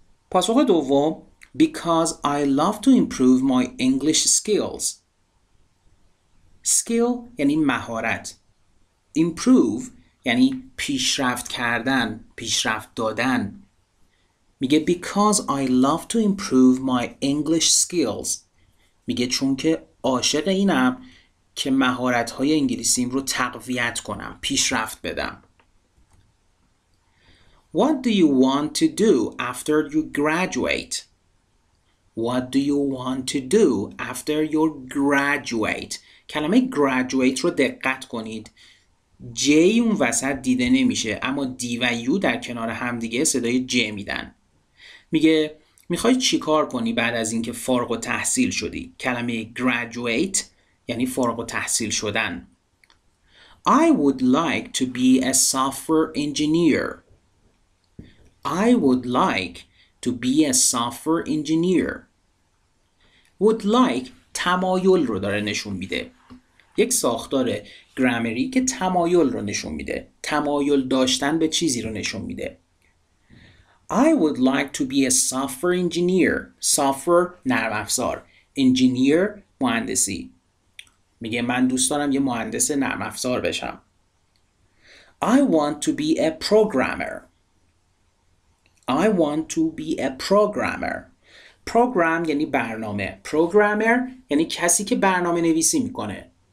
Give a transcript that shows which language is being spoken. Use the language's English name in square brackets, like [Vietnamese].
[Persian] پاسخ دوم [English] Because I love to improve my English skills. [Persian] Skill یعنی مهارت. Improve یعنی پیشرفت کردن، پیشرفت دادن. میگه [English] because I love to improve my English skills. [Persian] میگه چون که عاشق اینم که مهارت‌های انگلیسیم رو تقویت کنم، پیشرفت بدم. [English] What do you want to do after you graduate? What do you want to do after you graduate? [Persian] کلمه graduate رو دقت کنید. جی اون وسط دیده نمیشه، اما دی و یو در کنار همدیگه صدای جی میدن. میگه میخوای چی کار کنی بعد از اینکه فارغ التحصیل شدی؟ کلمه graduate یعنی فارغ التحصیل شدن. [English] I would like to be a software engineer. I would like to be a software engineer. [Persian] Would like تمایل رو داره نشون میده. یک ساختار گرامری که تمایل رو نشون میده. تمایل داشتن به چیزی رو نشون میده. [English] I would like to be a software engineer. [Persian] Software نرم افزار. Engineer مهندسی. میگه من دوست دارم یه مهندس نرم افزار بشم. [English] I want to be a programmer. I want to be a programmer. [Persian] Program یعنی برنامه. Programmer یعنی کسی که برنامه نویسی میکنه.